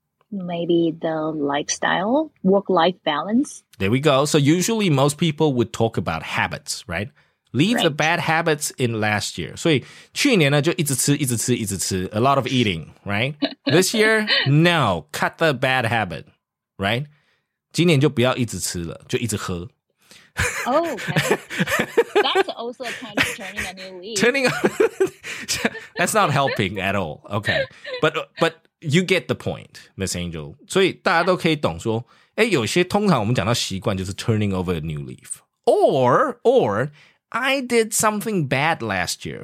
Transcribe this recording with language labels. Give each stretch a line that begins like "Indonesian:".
English: Maybe the lifestyle, work-life balance. There we go. So usually most people would talk about habits, right? Leave right. the bad habits in last year.
Chinese: 所以去年呢就一直吃一直吃一直吃
English: a lot of eating, right? This year, no, cut the bad habit, right?
Chinese: 今年就不要一直吃了，就一直喝。
English: Oh, okay. That's also kind of turning a new leaf. Turning, that's not helping at all. Okay, but you get the point, Miss Angel.
Chinese: 所以大家都可以懂说，哎，有些通常我们讲到习惯就是
English: turning over a new leaf. Or I did something bad last year.